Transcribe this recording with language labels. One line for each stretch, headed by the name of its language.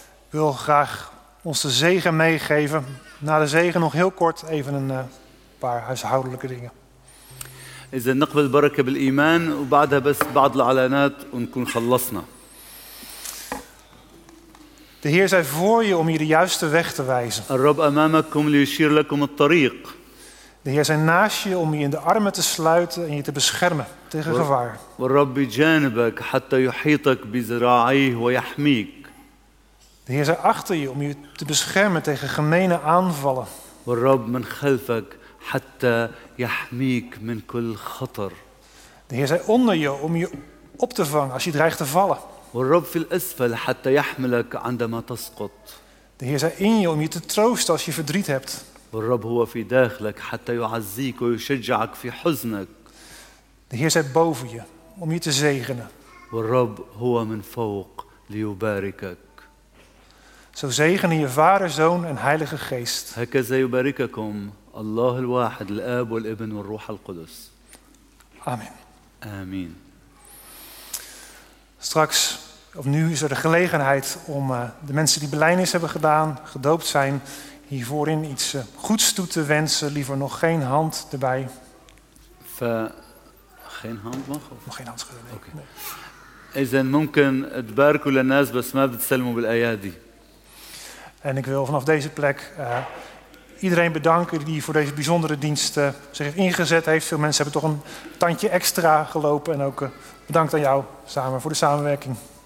Dutch: wil graag ons de zegen meegeven. Na de zegen nog heel kort even een paar huishoudelijke dingen.
Arabic: إذا نقبل البركة بالإيمان وبعدها بس بعض الإعلانات ونكون خلصنا.
Dutch: De Heer zij voor je om je de juiste weg te wijzen.
Arabic: الرب أمامك كم ليشير لكم الطريق.
Dutch: De Heer zij naast je om je in de armen te sluiten en je te beschermen tegen gevaar.
Arabic: والرب جانبك حتى يحيطك بذراعيه ويحميك.
Dutch: De Heer zij achter je om je te beschermen tegen gemene aanvallen.
Arabic: والرب من خلفك حتى يحميك من كل خطر.
Dutch: De Heer zij onder je om je op te vangen als je dreigt te vallen.
Arabic: والرب في الأسفل حتى يحملك عندما تسقط.
Dutch: De Heer zij in je om je te troosten als je verdriet hebt.
Arabic: والرب هو في داخلك حتى يعزيك ويشجعك في حزنك.
Dutch: De Heer zij boven je om je te zegenen.
Arabic: والرب هو من فوق ليباركك.
Dutch: Zo zegenen je Vader, Zoon en Heilige Geest.
Arabic: هكذا يبارككم الله الواحد الآب والابن والروح القدس. آمين. آمين.
Dutch: Straks of nu is er de gelegenheid om de mensen die belijdenis hebben gedaan, gedoopt zijn, hiervoorin iets goeds toe te wensen. Liever nog geen hand erbij. Geen hand mag of? Nog geen hand schudden. Oké. Is dan
Arabic: ممكن تباركوا للناس بس ما بتسلموا بالأيادي.
Dutch: En ik wil vanaf deze plek iedereen bedanken die voor deze bijzondere dienst zich heeft ingezet. Veel mensen hebben toch een tandje extra gelopen. En ook bedankt aan jou samen voor de samenwerking.